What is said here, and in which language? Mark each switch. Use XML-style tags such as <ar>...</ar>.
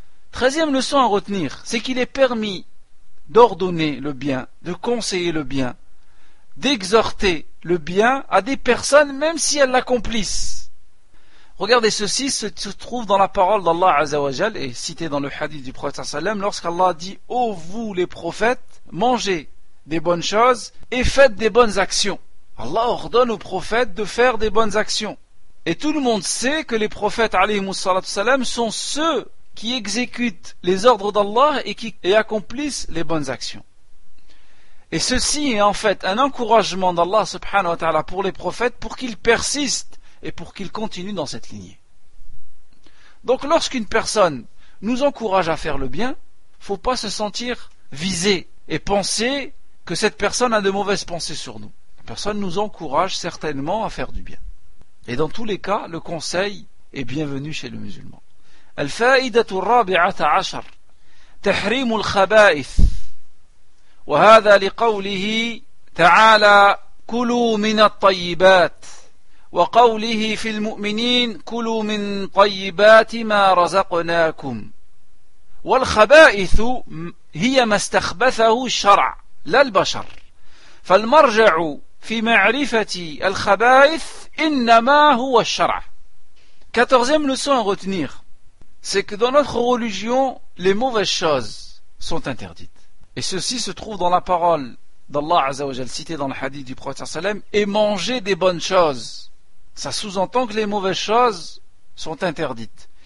<fr>Treizième leçon à retenir, c'est qu'il est permis d'ordonner le bien, de conseiller le bien, d'exhorter le bien à des personnes même si elles l'accomplissent. Regardez, ceci se trouve dans la parole d'Allah Azza wa Jal et cité dans le hadith du prophète sallallahu alayhi wa sallam lorsqu'Allah dit « Ô vous les prophètes, mangez des bonnes choses et faites des bonnes actions ». Allah ordonne aux prophètes de faire des bonnes actions. Et tout le monde sait que les prophètes alayhi salatu sallam sont ceux qui exécutent les ordres d'Allah et accomplissent les bonnes actions. Et ceci est en fait un encouragement d'Allah subhanahu wa ta'ala pour les prophètes, pour qu'ils persistent et pour qu'ils continuent dans cette lignée. Donc lorsqu'une personne nous encourage à faire le bien, faut pas se sentir visé et penser que cette personne a de mauvaises pensées sur nous. La personne nous encourage certainement à faire du bien. Et dans tous les cas, le conseil est bienvenu chez le musulman.</fr> <ar>الفائدة الرابعة عشر تحريم الخبائث وهذا لقوله تعالى كلوا من الطيبات وقوله في المؤمنين كلوا من طيبات ما رزقناكم والخبائث هي ما استخبثه الشرع لا البشر فالمرجع في معرفة الخبائث إنما هو الشرع.</ar> <fr>Quatorzième leçon à retenir, c'est que dans notre religion, les mauvaises choses sont interdites. Et ceci se trouve dans la parole d'Allah Azza wa Jal cité dans le hadith du prophète sallallahu alayhi wa sallam, et manger des bonnes choses. Ça sous-entend que les mauvaises choses sont interdites.</fr>